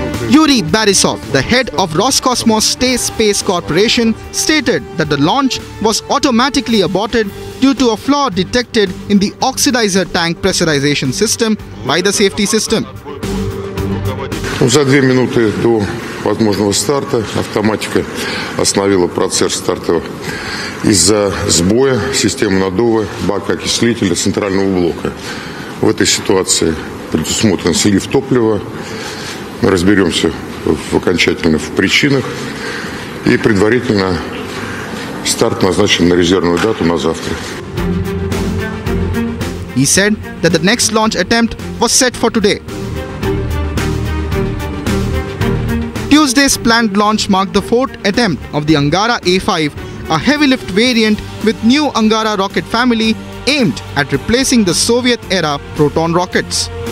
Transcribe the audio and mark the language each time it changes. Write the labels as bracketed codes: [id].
[en] Yuri Barisov, the head of Roscosmos Space Corporation, stated that the launch was automatically aborted due to a flaw detected in the oxidizer tank pressurization system by the safety system. [ru] За 2 минуты до возможного старта автоматика остановила процесс старта из-за сбоя системы надува бака окислителя центрального блока. В этой ситуации предусмотрен слив топлива. Мы разберемся в окончательно в причинах и предварительно старт назначен на резервную дату на завтра. [en] He said that the next launch attempt was set for today. Tuesday's planned launch marked the fourth attempt of the Angara A5, a heavy lift variant with new Angara rocket family aimed at replacing the Soviet era Proton rockets.